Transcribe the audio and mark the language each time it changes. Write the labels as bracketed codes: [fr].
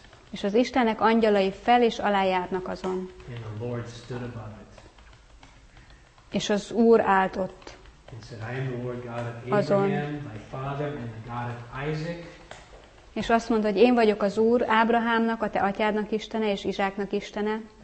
[hu] És az Istennek angyalai fel és alá járnak azon. [en] And the Lord stood above it. [hu] És az Úr állt ott. [en] And said, I am the Lord God of Abraham, my father, and the God of Isaac. [hu] És azt mondta, hogy én vagyok az Úr, Ábrahámnak, a te atyádnak Istene, és Izsáknak Istene.